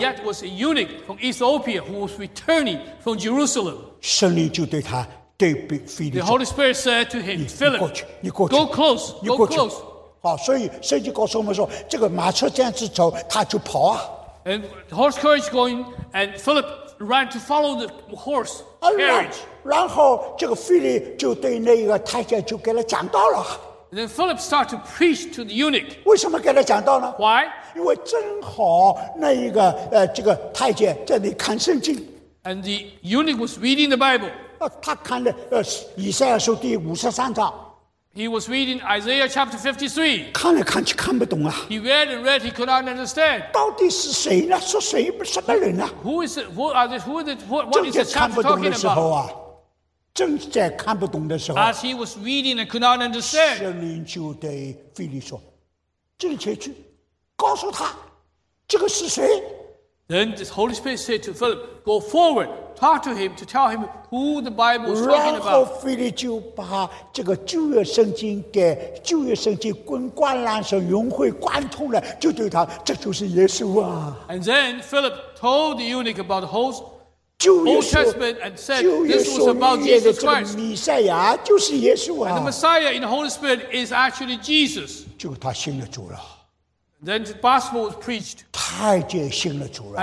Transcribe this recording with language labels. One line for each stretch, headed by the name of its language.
English: Yet was a eunuch from Ethiopia who was returning from Jerusalem.
Chinese: 圣灵就对他对腓力
English: The Holy Spirit said to him, Philip,
Chinese: 你过去，你过去
English: go close, go close.
Chinese: 好，所以圣经告诉我们说，这个马车这样子走，他就跑啊。
English: And the horse carriage going, and Philip ran to follow the horse carriage.
Chinese: 然后这个腓力就对那个太监就给他讲道了。
English: And then Philip started to preach to the eunuch.
Chinese: 为什么给他讲道呢
English: ？Why?
Chinese: 因为正好那一个这个太监在那看圣经。
English: And the eunuch was reading the Bible.
Chinese: 他看了以赛亚书第53章。
English: He was reading Isaiah chapter 53.
Chinese: 看来看去看不懂啊。
English: He read and read, he could not understand.
Chinese: 到底是谁呢？是谁？什么人呢？
English: Who is it? Who are this? Who is it? What is this chapter talking about?
Chinese: 正在看不懂的时候啊，正在看不懂的时候。
English: As he was reading and could not understand.
Chinese: 圣灵就对腓力说：“进前去，告诉他，这个是谁。”
English: Then the Holy Spirit said to Philip, "Go forward, talk to him to tell him who the Bible is talking about.
Chinese: 然后腓力就把这个旧约圣经给旧约圣经跟观澜神融会贯通了，就对他，这就是耶稣啊。
English: And then Philip told the eunuch about the whole Old Testament and said this was about Jesus Christ.
Chinese: 弥赛亚就是耶稣啊。
English: And the Messiah in the Holy Spirit is actually Jesus.
Chinese: 就他信了主了。
English: Then the gospel was preached.
Chinese: 太监信了主了,